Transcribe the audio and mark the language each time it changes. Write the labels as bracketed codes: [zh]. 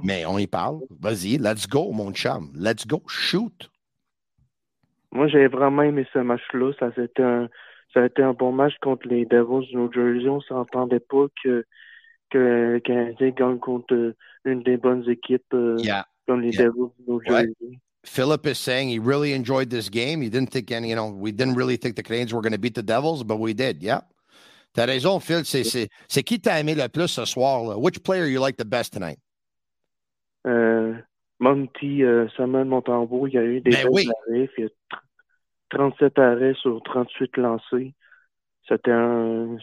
[fr] Mais on y parle. Vas-y, [en] let's go, [fr] mon chum. [en] Let's go, shoot. [fr] Moi, j'ai vraiment aimé ce match-là. Ça a été un bon match contre les Devils du New Jersey. On ne s'entendait pas que le Canadien gagne contre une des bonnes équipes comme les Devils du New Jersey. Ouais. [en] Philip is saying he really enjoyed this game. He didn't think any, you know, we didn't really think the Canadiens were going to beat the Devils, but we did. [fr] Yeah. T'as raison, Phil. C'est qui t'a aimé le plus ce soir, là? [en] Which player you like the best tonight? [fr] Samuel Montembeau, il y a eu des arrêts. Il y a 37 arrêts sur 38 lancés. C'était un.